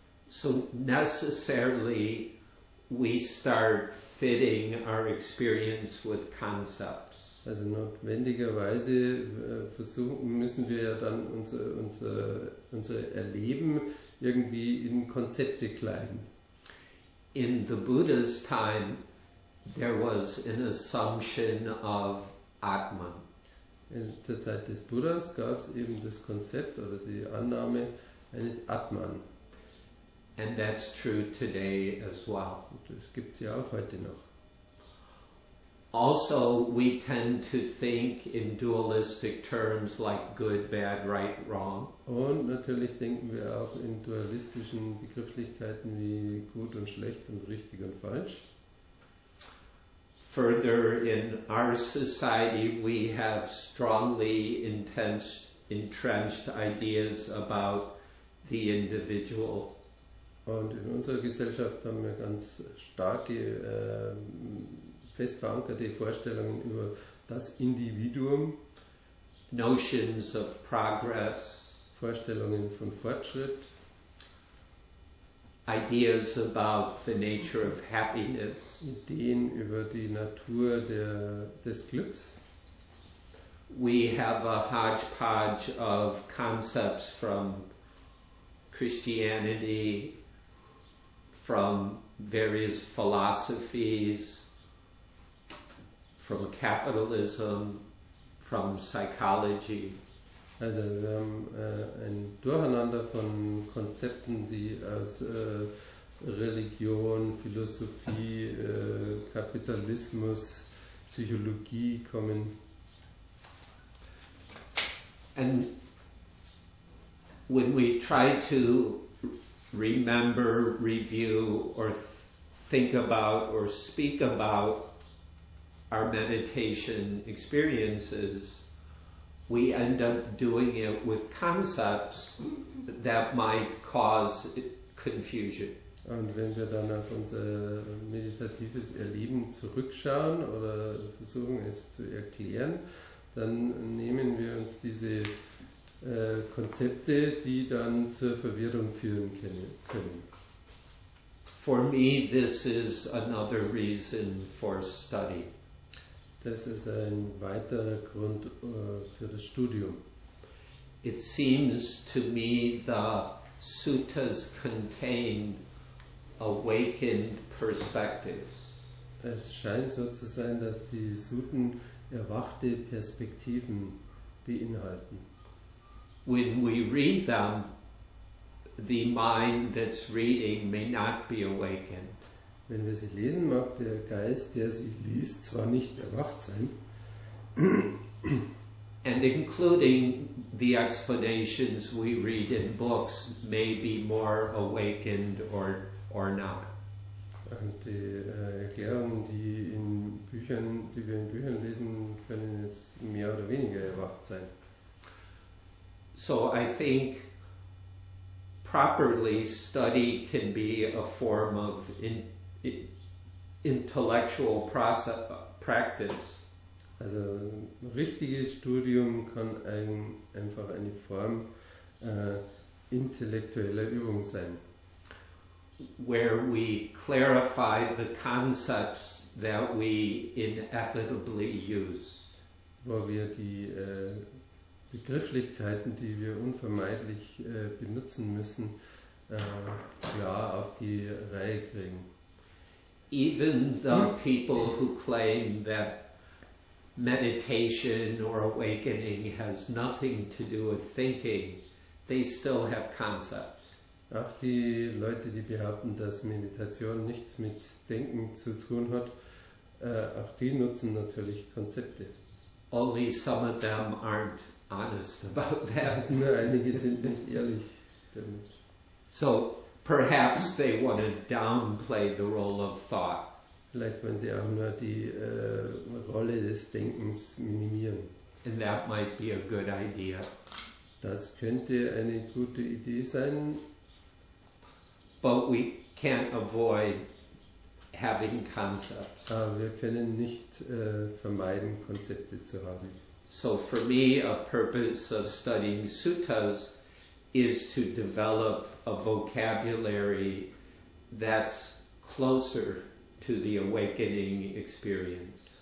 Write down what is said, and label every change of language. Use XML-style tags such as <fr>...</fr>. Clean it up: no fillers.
<en>So necessarily we start fitting our experience with concepts.</en> <de>Also notwendigerweise müssen wir ja dann unser Erleben irgendwie in Konzepte kleiden.</de> <en>In the Buddha's time there was an assumption of Atman.</en> <de>In der Zeit des Buddhas gab es eben das Konzept oder die Annahme eines Atman.</de> <en>And that's true today as well.</en> <de>Das gibt es ja auch heute noch.</de> <en>Also, we tend to think in dualistic terms like good, bad, right, wrong.</en> <de>Und natürlich denken wir auch in dualistischen Begrifflichkeiten wie gut und schlecht und richtig und falsch.</de> <en>Further, in our society, we have strongly entrenched ideas about the individual.</en> <de>Und in unserer Gesellschaft haben wir ganz starke, fest verankerte Vorstellungen über das Individuum.</de> <en>Notions of progress.</en> <de>Vorstellungen von Fortschritt.</de> <en>Ideas about the nature of happiness.</en> <de>Ideen über die Natur des Glücks.</de> <en>We have a hodgepodge of concepts from Christianity, from various philosophies, from capitalism, from psychology.</en> <de>Also wir haben ein Durcheinander von Konzepten, die aus Religion, Philosophie, Kapitalismus, Psychologie kommen.</de> <en>And when we try to remember, review or think about or speak about our meditation experiences, we end up doing it with concepts that might cause confusion.</en> <de>Und wenn wir dann auf unser meditatives Erleben zurückschauen oder versuchen es zu erklären, dann nehmen wir uns diese Konzepte, die dann zur Verwirrung führen können.</de> <en>For me, this is another reason for study.</en> <de>Das ist ein weiterer Grund für das Studium.</de> <en>It seems to me the suttas contain awakened perspectives.</en> <de>Es scheint so zu sein, dass die Sutten erwachte Perspektiven beinhalten.</de> <en>When we read them, the mind that's reading may not be awakened.</en> <de>Wenn wir sie lesen, mag der Geist, der sie liest, zwar nicht erwacht sein.</de> <en>And including the explanations we read in books may be more awakened or not.</en> <de>Und die Erklärungen, die in Büchern, die wir in Büchern lesen, können jetzt mehr oder weniger erwacht sein.</de> <en>So I think properly study can be a form of intellectual practice.</en> <de>Also richtiges Studium kann einfach eine Form intellektueller Übung sein.</de> <en>Where we clarify the concepts that we inevitably use.</en> <de>Wo wir die Begrifflichkeiten, die wir unvermeidlich benutzen müssen, klar auf die Reihe kriegen.</de> <en>Even the people who claim that meditation or awakening has nothing to do with thinking, they still have concepts.</en> <de>Auch die Leute, die behaupten, dass Meditation nichts mit Denken zu tun hat, auch die nutzen natürlich Konzepte.</de> <en>Only some of them aren't honest about that.</en> <de>Nur einige sind nicht ehrlich damit.</de> <en>So perhaps they want to downplay the role of thought.</en> <de>Vielleicht wollen sie auch nur die Rolle des Denkens minimieren.</de> <en>And that might be a good idea.</en> <de>Das könnte eine gute Idee sein.</de> <en>But we can't avoid having concepts.</en> <de>Aber wir können nicht vermeiden, Konzepte zu haben.</de> <en>So for me, a purpose of studying suttas is to develop a vocabulary that's closer to the awakening experience.</en>